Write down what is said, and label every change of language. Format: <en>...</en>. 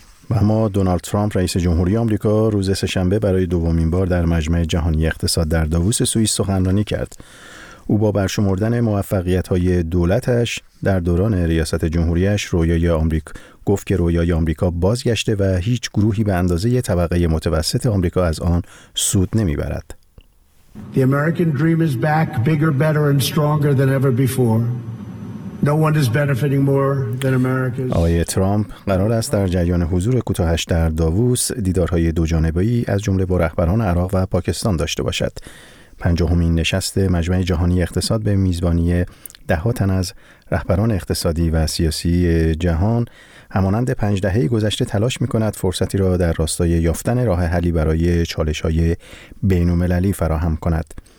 <fa>و اما دونالد ترامپ رئیس جمهوری آمریکا روز سه‌شنبه برای دومین بار در مجمع جهانی اقتصاد در داووس سوئیس سخنرانی کرد. او با برشمردن موفقیت‌های دولتش در دوران ریاست جمهوریش رویای آمریکا گفت که رویای آمریکا بازگشته و هیچ گروهی به اندازه طبقه متوسط آمریکا از آن سود نمی‌برد.</fa> <en>The American dream is back, bigger, better and stronger than ever before. No one is benefiting more than America.</en> <fa>آقای ترامپ قرار است در جریان حضور کوتاهش در داووس دیدارهای دو جانبه‌ای از جمله با رهبران عراق و پاکستان داشته باشد. 50مین نشست مجمع جهانی اقتصاد به میزبانی ده‌ها تن از رهبران اقتصادی و سیاسی جهان همانند 5 دهه گذشته تلاش می‌کند فرصتی را در راستای یافتن راه حلی برای چالش‌های بین‌المللی فراهم کند.</fa>